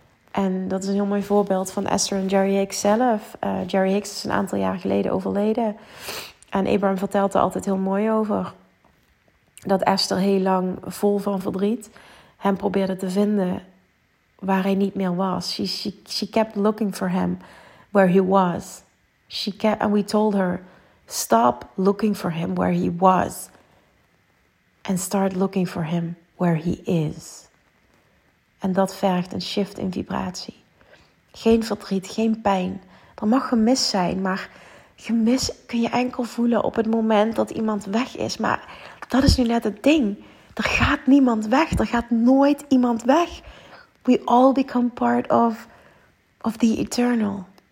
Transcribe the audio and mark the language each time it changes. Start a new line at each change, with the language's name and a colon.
Dutch: En dat is een heel mooi voorbeeld van Esther en Jerry Hicks zelf. Jerry Hicks is een aantal jaar geleden overleden. En Abraham vertelt er altijd heel mooi over. Dat Esther heel lang vol van verdriet hem probeerde te vinden waar hij niet meer was.
English: She kept looking for him where he was. And we told her, stop looking for him where he was. And start looking for him where he is.
Dutch: En dat vergt een shift in vibratie. Geen verdriet, geen pijn. Er mag gemis zijn, maar gemis kun je enkel voelen op het moment dat iemand weg is. Maar dat is nu net het ding. Er gaat niemand weg. Er gaat nooit iemand weg.
English: We all become part of the eternal.